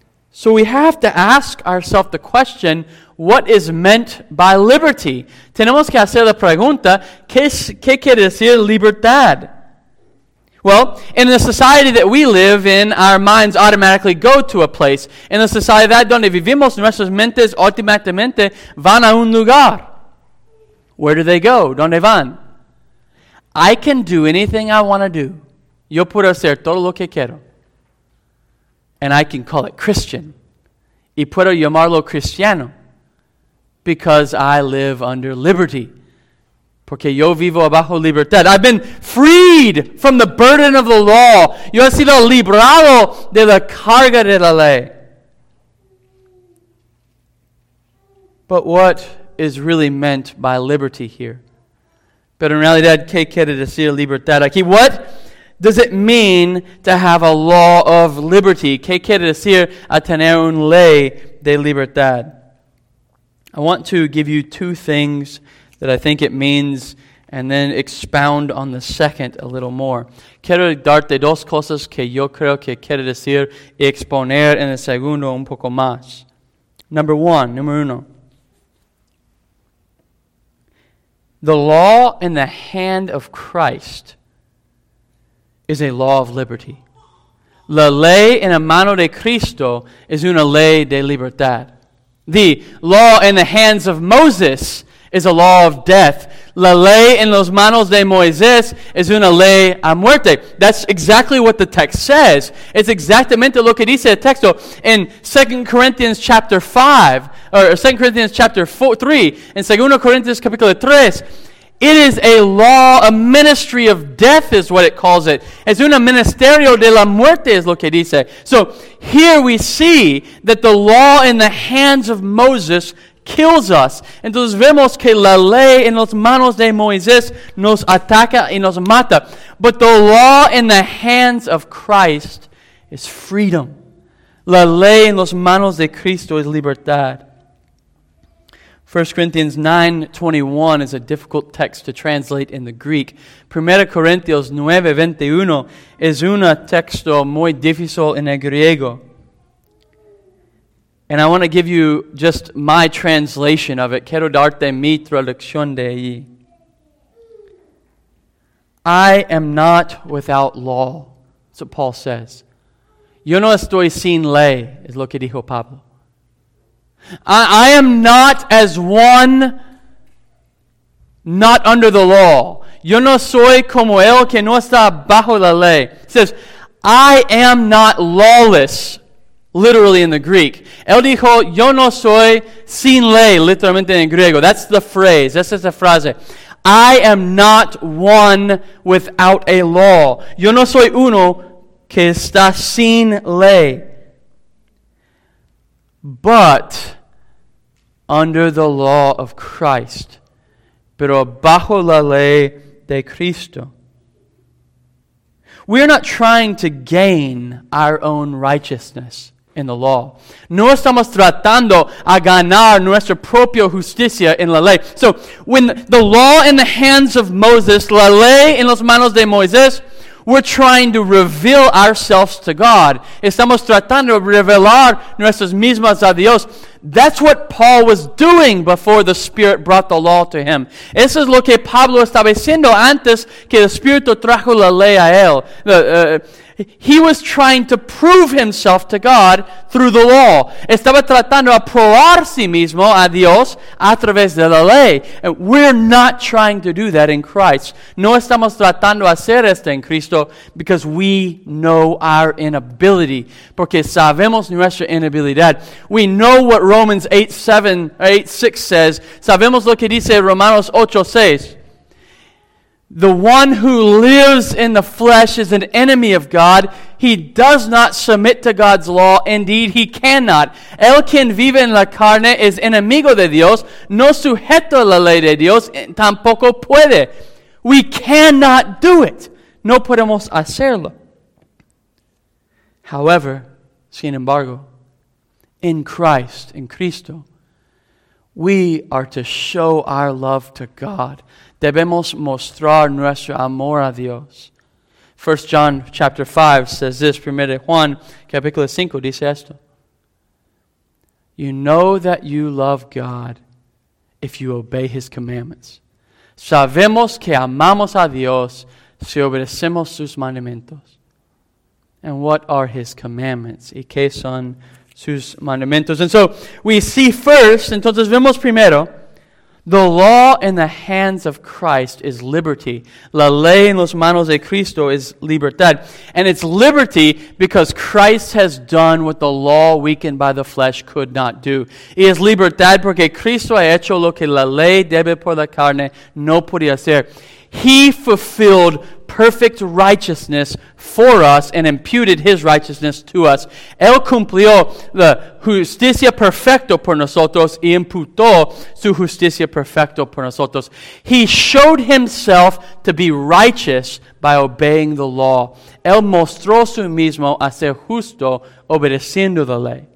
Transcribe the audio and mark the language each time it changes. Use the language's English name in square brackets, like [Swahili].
[English] So we have to ask ourselves the question, what is meant by liberty? [Spanish] Tenemos que hacer la pregunta, ¿qué quiere decir libertad? [English] Well, in the society that we live in, our minds automatically go to a place. [Spanish] In the sociedad donde vivimos, nuestras mentes automáticamente van a un lugar. [English] Where do they go? [Spanish] ¿Dónde van? [English] I can do anything I want to do. [Spanish] Yo puedo hacer todo lo que quiero. [English] And I can call it Christian. [Spanish] Y puedo llamarlo cristiano. [English] Because I live under liberty. [Spanish] Porque yo vivo bajo libertad. [English] I've been freed from the burden of the law. [Spanish] Yo he sido librado de la carga de la ley. [English] But what is really meant by liberty here? [Spanish] Pero en realidad, ¿qué quiere decir libertad aquí? [English] What does it mean to have a law of liberty? [Spanish] ¿Qué quiere decir a tener una ley de libertad? [English] I want to give you two things that I think it means, and then expound on the second a little more. [Spanish] Quiero darte dos cosas que yo creo que quiere decir y exponer en el segundo un poco más. Número uno. [English] The law in the hand of Christ is a law of liberty. [Spanish] La ley en la mano de Cristo es una ley de libertad. [English] The law in the hands of Moses is a law of death. [Spanish] La ley en los manos de Moisés es una ley a muerte. [English] That's exactly what the text says. It's [Spanish] exactamente lo que dice el texto [English] in 2 Corinthians chapter 5, or 2 Corinthians chapter 4, 3, in 2 Corinthians capítulo 3. It is a law, a ministry of death is what it calls it. [Spanish] Es un ministerio de la muerte es lo que dice. [English] So here we see that the law in the hands of Moses kills us. [Spanish] Entonces vemos que la ley en las manos de Moisés nos ataca y nos mata. [English] But the law in the hands of Christ is freedom. [Spanish] La ley en las manos de Cristo es libertad. [English] 1 Corinthians 9:21 is a difficult text to translate in the Greek. [Spanish] 1 Corinthians 9:21 is un texto muy difícil en el griego. [English] And I want to give you just my translation of it. [Spanish] Quiero darte mi traducción de allí. [English] I am not without law. That's what Paul says. [Spanish] Yo no estoy sin ley, es lo que dijo Pablo. [English] I am not as one not under the law. [Spanish] Yo no soy como el que no está bajo la ley. [English] It says, I am not lawless, literally in the Greek. [Spanish] Él dijo, yo no soy sin ley, literalmente en griego. [English] That's the phrase. [Spanish] Esa es la frase. [English] I am not one without a law. [Spanish] Yo no soy uno que está sin ley. [English] But under the law of Christ, [Spanish] pero bajo la ley de Cristo. [English] We are not trying to gain our own righteousness in the law. [Spanish] No estamos tratando a ganar nuestra propia justicia en la ley. [English] So, when the law in the hands of Moses, [Spanish] la ley en las manos de Moisés, [English] we're trying to reveal ourselves to God. [Spanish] Estamos tratando de revelar nuestras mismas a Dios. [English] That's what Paul was doing before the Spirit brought the law to him. [Spanish] Eso es lo que Pablo estaba haciendo antes que el Espíritu trajo la ley a él. [English] He was trying to prove himself to God through the law. [Spanish] Estaba tratando de probar sí mismo a Dios a través de la ley. [English] And we're not trying to do that in Christ. [Spanish] No estamos tratando de hacer esto en Cristo [English] because we know our inability. [Spanish] Porque sabemos nuestra inabilidad. [English] We know what Romans 8:6 says. [Spanish] Sabemos lo que dice Romanos 8:6. [English] The one who lives in the flesh is an enemy of God. He does not submit to God's law. Indeed, he cannot. [Spanish] El quien vive en la carne es enemigo de Dios. No sujeto a la ley de Dios. Tampoco puede. [English] We cannot do it. [Spanish] No podemos hacerlo. [English] However, [Spanish] sin embargo, [English] in Christ, in Cristo, we are to show our love to God. [Spanish] Debemos mostrar nuestro amor a Dios. [English] 1 John chapter 5 says this. [Spanish] 1 Juan capítulo 5 dice esto. [English] You know that you love God if you obey His commandments. [Spanish] Sabemos que amamos a Dios si obedecemos sus mandamientos. [English] And what are His commandments? [Spanish] ¿Y qué son sus mandamientos? [English] And so we see first, [Spanish] entonces vemos primero, [English] the law in the hands of Christ is liberty. [Spanish] La ley en los manos de Cristo es libertad. [English] And it's liberty because Christ has done what the law weakened by the flesh could not do. [Spanish] Y es libertad porque Cristo ha hecho lo que la ley debe por la carne no podía hacer. [English] He fulfilled perfect righteousness for us and imputed His righteousness to us. [Spanish] Él cumplió la justicia perfecta por nosotros y imputó su justicia perfecta por nosotros. [English] He showed Himself to be righteous by obeying the law. [Spanish] Él mostró su mismo a ser justo obedeciendo la ley.